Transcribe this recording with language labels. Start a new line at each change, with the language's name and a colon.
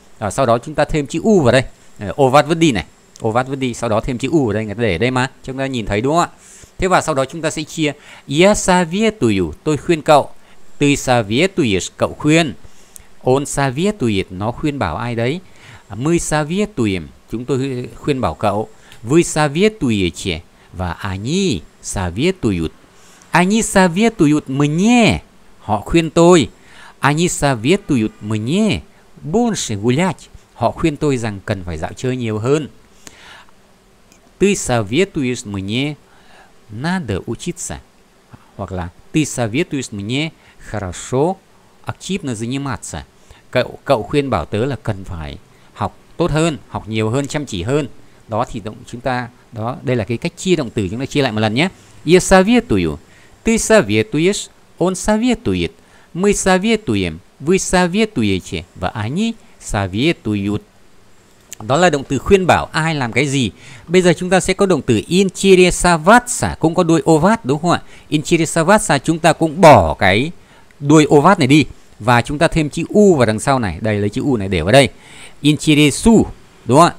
Vietnamese: Rồi sau đó chúng ta thêm chữ u vào đây. Ovat vứt đi này. Ovat vứt đi, sau đó thêm chữ u ở đây, người ta để đây mà. Chúng ta nhìn thấy đúng không ạ? Thế và sau đó chúng ta sẽ chia.
Russian: Я советую.
Vietnamese: Tôi khuyên cậu.
Russian: Ты советуешь.
Vietnamese: Cậu khuyên.
Russian: Он советует.
Vietnamese: Nó khuyên bảo ai đấy?
Russian: Мы советуем.
Vietnamese: Chúng tôi khuyên bảo cậu.
Russian: Вы советуете. Và они советуют. Они советуют мне.
Vietnamese: Họ khuyên tôi.
Russian: Они советуют мне больше гулять.
Vietnamese: Họ khuyên tôi rằng cần phải dạo chơi nhiều hơn.
Russian: Ты советуешь мне надо учиться.
Vietnamese: Hoặc là
Russian: ты советуешь мне хорошо активно заниматься.
Vietnamese: Cậu khuyên bảo tớ là cần phải học tốt hơn, học nhiều hơn, chăm chỉ hơn. Đó thì chúng ta đó đây là cái cách chia động từ, chúng ta chia lại một lần nhé.
Russian: Я советую. Ты советуешь. Он советует. Мы советуем. Вы советуете. Và они советуют.
Vietnamese: Đó là động từ khuyên bảo ai làm cái gì. Bây giờ chúng ta sẽ có động từ interesоваться, cũng có đuôi ovat đúng không ạ? Interesоваться chúng ta cũng bỏ cái đuôi ovat này đi và chúng ta thêm chữ u vào đằng sau này. Đây lấy chữ u này để vào đây. Interesу, đúng không ạ?